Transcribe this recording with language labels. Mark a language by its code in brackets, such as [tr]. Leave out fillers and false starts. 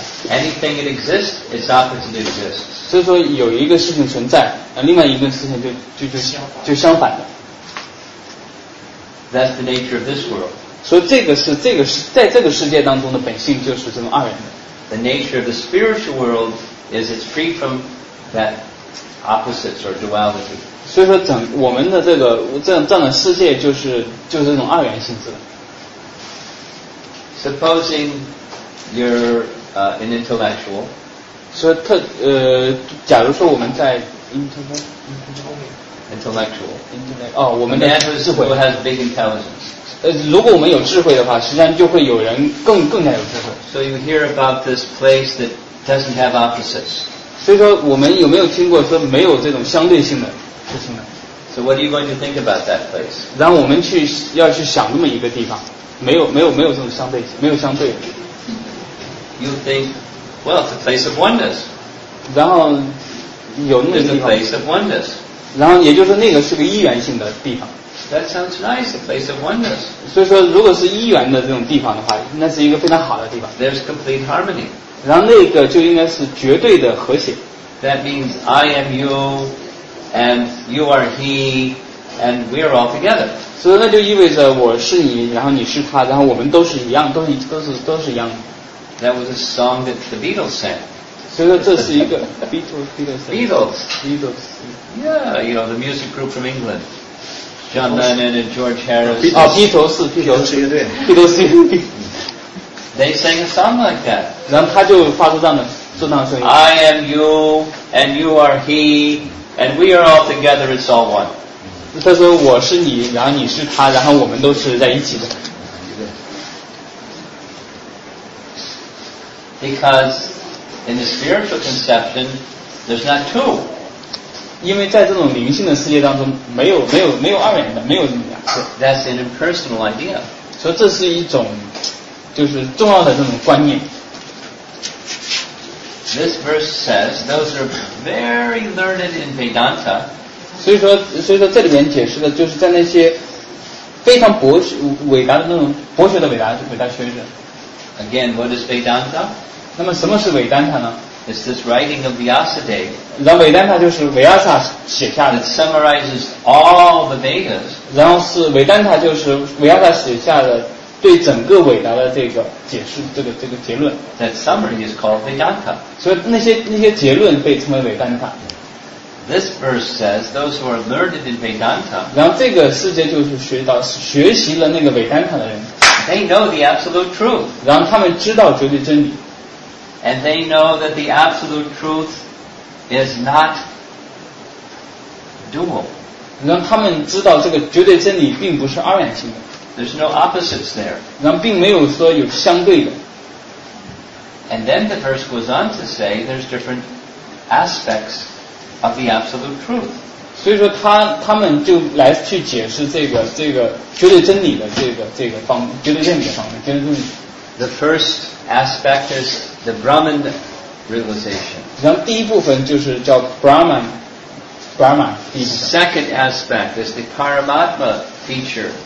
[en] Anything that exists, its opposite exists. [zh] 所以说有一个事情存在，另外一个事情就相反的。 [en] That's the nature of this world. [zh] 所以这个是在这个世界当中的本性就是这么二元的。 [en] The nature of the spiritual world is it's free from that opposites or duality. [zh] 所以说整我们的这样的世界就是这种二元性质的。 [en] Supposing you're an intellectual. [zh] 所以假如说我们在 [en] intellectual. [zh] Intellectual. 哦，我们的智慧。 [en] Who has big intelligence? [zh] 如果我们有智慧的话，实际上就会有人更加有智慧。 [en] So you hear about this place that doesn't have opposites. [zh] 所以说我们有没有听过说没有这种相对性的事情呢 [en] ？So what are you going to think about that place? [zh] 然后我们要去想那么一个地方，没有这种相对性，没有相对的。 [en] You think, well, it's a place of oneness. [zh] 然后有那个地方。 [en] It's a place of oneness. [zh] 然后也就是那个是个一元性的地方。 [en] That sounds nice, a place of oneness. [zh] 所以说如果是一元的这种地方的话，那是一个非常好的地方。 [en] There's complete harmony. [zh] 然后那个就应该是绝对的和谐。 [en] That means I am you, and you are he, and we are all together. [zh] 所以那就意味着我是你，然后你是他，然后我们都是一样，都是一样的。 [en] That was a song that the Beatles sang. [zh] 所以说这是一个 Beatles. [en] Yeah, you know, the music group from England. John Lennon and George Harris. Beatles. They sang a song like that. [zh] 然后他就发出这样的声音。 [en] I am you, and you are he, and we are all together, it's all one. [zh] 他说我是你，然后你是他，然后我们都是在一起的。 [en] Because in the spiritual conception, there's not two. [zh] 因为在这种灵性的世界当中没有二元的，没有怎么样。 [en] That's an impersonal idea. [zh] 所以这是一种就是重要的这种观念。 [en] This verse says those are very learned in Vedanta. [zh] 所以说这里面解释的就是在那些非常博学伟大的那种博学的伟大学者。 [en] Again, what is Vedanta? [zh] 那么什么是伟丹塔呢？ [en] It's this writing of Vyasadeva. [zh] 然后维丹塔就是维亚萨写下的。 [en] It summarizes all the Vedas. [zh] 然后是维丹塔就是维亚萨写下的对整个伟达的这个解释，这个结论。 [en] That summary is called Vedanta. [zh] 所以那些结论被称为维丹塔。 [en] This verse says those who are learned in Vedanta. [zh] 然后这个世界就是学习了那个维丹塔的人。 [en] They know the absolute truth. [zh] 然后他们知道绝对真理。 [en] And they know that the absolute truth is not dual. [zh] 让他们知道这个绝对真理并不是二元性的。 [en] There's no opposites there. [zh] 让并没有说有相对的。 [en] And then the verse goes on to say there's different aspects of the absolute truth. [zh] 所以说他们就来去解释这个绝对真理的这个方面，绝对真理的方面，绝对真理。 [en] The first aspect is the Brahman realization. [zh] 然后第一部分就是叫 Brahman. [en] The second aspect is the Paramatma feature.